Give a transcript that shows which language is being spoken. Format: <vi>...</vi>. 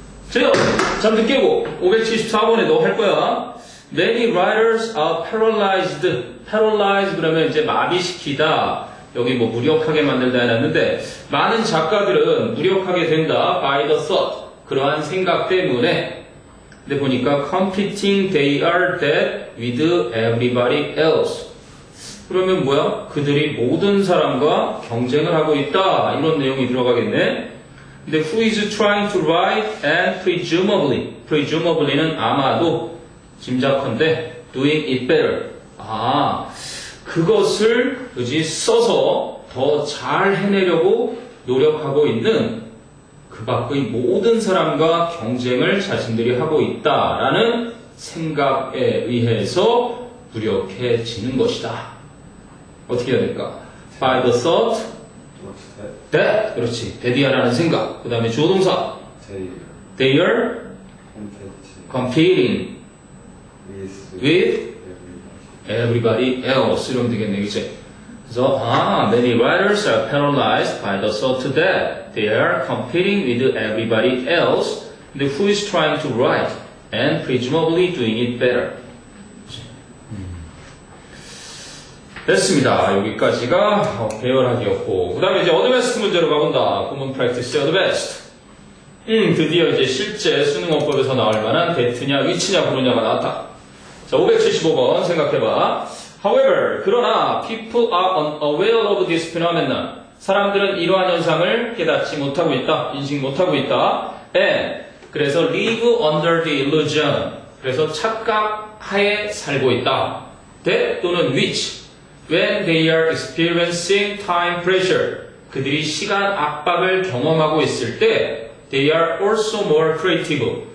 <ko>재현, 잠 늦게 오고 574번에 너 할 거야.</ko> <en>Many writers are paralyzed. Paralyzed</en> <ko>그러면 이제 마비시키다. 여기 뭐 무력하게 만들다 해놨는데 많은 작가들은 무력하게 된다.</ko> <en>By the thought.</en> <ko>그러한 생각 때문에.</ko> <en>근데 보니까 competing they are that with everybody else.</en> <ko>그러면 뭐야? 그들이 모든 사람과 경쟁을 하고 있다. 이런 내용이 들어가겠네. 근데</ko> <en>who is trying to write and presumably, presumably는</en> <ko>아마도 짐작컨대</ko> <en>doing it better.</en> <ko>아, 그것을 굳이 써서 더 잘 해내려고 노력하고 있는 그 밖의 모든 사람과 경쟁을 자신들이 하고 있다라는 생각에 의해서 무력해지는 것이다. 어떻게 해야 될까?</ko> <en>By the thought that,</en> <ko>그렇지. that이야라는 생각. 그 다음에 주어동사.</ko> <en>They are competing with everybody else. 이러면 되겠네, 그치? 그래서, many writers are paralyzed by the thought that they are competing with everybody else. And who is trying to write and presumably doing it better.</en> <ko>됐습니다. 여기까지가 배열하기였고 그 다음에 이제 어드베스트 문제로 가본다. 구문 프랙티스 어드베스트. 드디어 이제 실제 수능어법에서 나올 만한 데트냐 위치냐 부르냐가 나왔다. 자, 575번 생각해봐.</ko> <en>However,</en> <ko>그러나</ko> <en>people are unaware of this phenomenon.</en> <ko>사람들은 이러한 현상을 깨닫지 못하고 있다. 인식 못하고 있다.</ko> <en>And</en> <ko>그래서</ko> <en>live under the illusion.</en> <ko>그래서 착각 하에 살고 있다.</ko> <en>That 또는 which. When they are experiencing time pressure,</en> <ko>그들이 시간 압박을 경험하고 있을 때,</ko> <en>they are also more creative.</en>